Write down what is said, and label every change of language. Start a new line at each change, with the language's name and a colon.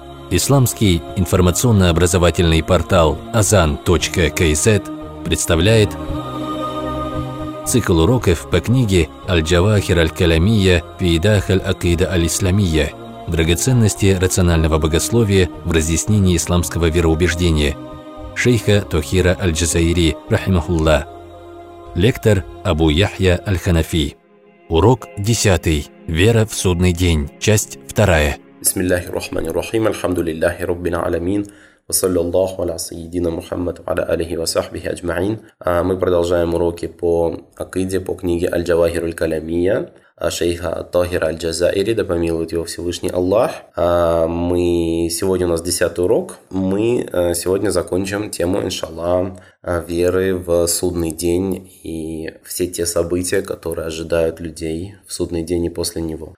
Russian: Исламский информационно-образовательный портал azan.kz представляет цикл уроков по книге «Аль-Джавахир аль-Калямия фиидах аль-Акида аль-Исламия» «Драгоценности рационального богословия в разъяснении исламского вероубеждения» шейха Тохира аль-Джазаири, рахимахулла. Лектор Абу Яхья аль-Ханафи. Урок 10. Вера в судный день. Часть 2.
Arabic: بسم الله الرحمن الرحيم الحمد لله رب العالمين وصلى الله على سيدنا محمد وعلى آله وصحبه أجمعين.
Russian: Мы продолжаем уроки по акиде, по книге Аль-Джавахир аль-Калямия шейха Тохира аль-Джазаири, да помилует его Всевышний Аллах. Мы сегодня, у нас 10 урок. Мы сегодня закончим тему, иншаллах, веры в судный день и все те события, которые ожидают людей в судный день и после него.